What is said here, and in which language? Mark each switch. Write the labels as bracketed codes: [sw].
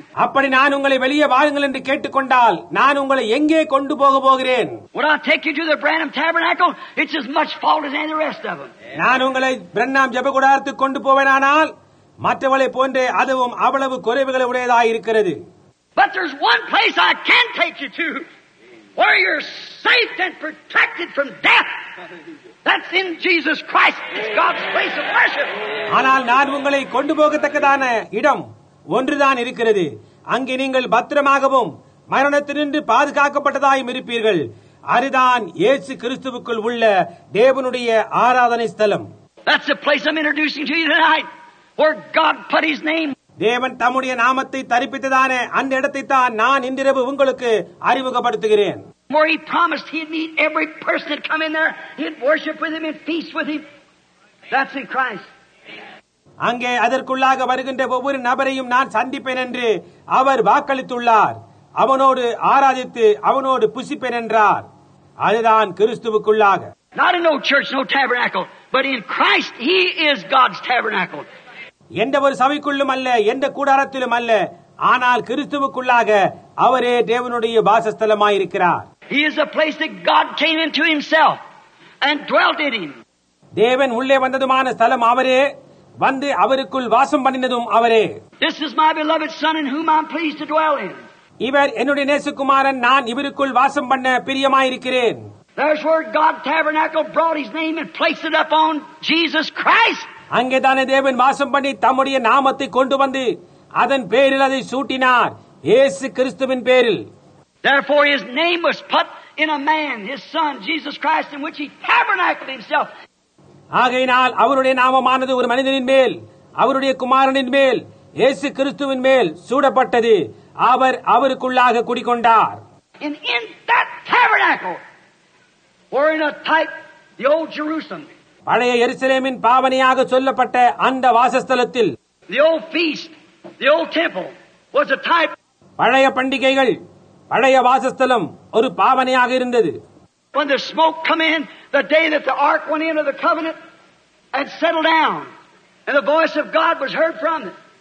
[ta] அப்படி நான் உங்களை வெளியே வாருங்கள் என்று கேட்டுக்கொண்டால் நான் உங்களை எங்கே கொண்டு போக போகிறேன்? [en] Would I take you to the Branham Tabernacle? It's as much fault as any of the rest of them. [ta] நான் உங்களை பிரன்னாம் ஜெபகுடாரத்துக்கு கொண்டு போவேனானால் மற்றவளை போன்றே அதுவும் அவ்வளவு குறைவுகளை உடையதாக இருக்கிறது. [en] But there's one place I can take you to where you're safe and protected from death. That's in Jesus Christ. It's God's place of worship. [ta] ஆனால் நான் உங்களை கொண்டு போகத்தக்கதான இடம் ஒன்றுதான் இருக்கிறது. அங்கே நீங்கள் பத்திரமாகவும் மரணத்திலிருந்து பாதுகாக்கப்பட்டதாயும் இருப்பீர்கள். அதுதான் இயேசு கிறிஸ்துவுக்குள் உள்ள தேவனுடைய ஆராதனை ஸ்தலம். [en] That's the place I'm introducing to you tonight where God put his name. [ta] தேவன் தம்முடைய நாமத்தை தரிப்பித்ததான அந்த இடத்தை தான் நான் இன்றிரவு உங்களுக்கு அறிமுகப்படுத்துகிறேன். [en] Where he promised he'd meet every person that come in there, he'd worship with him, he'd feast with him. That's in Christ. [ta] அங்க அதற்குள்ளாக வருகின்ற ஒவ்வொரு நபரையும் நான் சந்திப்பேன் என்று அவர் வாக்களித்துள்ளார். அவனோடு ஆராதித்து அவனோடு புசிப்பேன் என்றார். அதுதான் கிறிஸ்துவுக்குள்ளாக. [en] Not in no church, no tabernacle, but in Christ, he is God's tabernacle. [ta] எந்த ஒரு சபைக்குள்ளும் அல்ல, எந்த கூடாரத்திலும் அல்ல, ஆனால் கிறிஸ்துவுக்குள்ளாக அவரே தேவனுடைய வாசஸ்தலமாயிருக்கிறார். [en] He is a place that God came into himself and dwelt in him. [ta] தேவன் உள்ளே வந்ததுமான ஸ்தலம் அவரே, வந்து அவருக்குள் வாசம் பண்ணினதும் அவரே. [en] This is my beloved son in whom I'm pleased to dwell in. [ta] இவர் என்னுடைய நேசகுமாரன், நான் இவருக்குள் வாசம் பண்ண பிரியமாயிருக்கிறேன். [en] That's where God tabernacle brought his name and placed it up on Jesus Christ. [ta] அங்கேதானே தேவன் வாசம் பண்ணி தம்முடைய நாமத்தை கொண்டு வந்து அதன் பேரில் அதை சூட்டினார், இயேசு கிறிஸ்துவின் பேரில். [en] Therefore his name was put in a man, his son Jesus Christ, in which he tabernacled himself. [ta] ஆகையினால் அவருடைய நாமமானது ஒரு மனிதனின் மேல், அவருடைய குமாரனின் மேல், இயேசு கிறிஸ்துவின் மேல் சூடப்பட்டது. அவர் அவருக்குள்ளாக குடிகொண்டார். [en] In that tabernacle were in a type the old Jerusalem. [ta] பழைய எருசலேமின் பாவனையாக சொல்லப்பட்ட அந்த வாசஸ்தலத்தில், [en] the old feast, the old temple was a type. [ta] பழைய பண்டிகைகள், பழைய வாசஸ்தலம் ஒரு பாவனையாக இருந்தது. [en] When the smoke came in the day that the ark went into the covenant and settled down and the voice of God was heard from it.